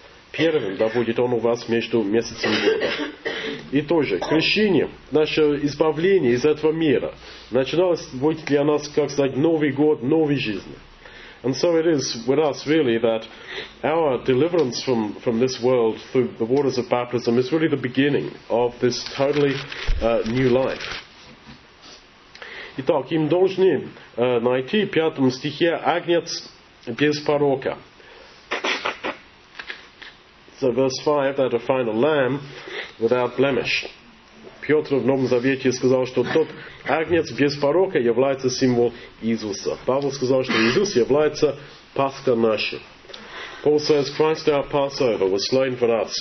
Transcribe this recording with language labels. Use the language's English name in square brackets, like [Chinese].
[Russian] Первым да будет он у вас между месяцем и годом. И тоже, крещение, наше избавление из этого мира, начиналось быть для нас, как сказать, новый год, новой жизни. [English] And so it is with us, really, that our deliverance from this world through the waters of baptism is really the beginning of this totally new life. [Russian] Итак, им должны найти в пятом стихе агнец без порока. [English] So verse 5, they had to find a lamb without blemish. [Russian] Петр в Новом Завете сказал, что тот агнец без порока является символ Иисуса. Павел сказал, что Иисус является Пасха наша. [English] Paul says, Christ our Passover was slain for us.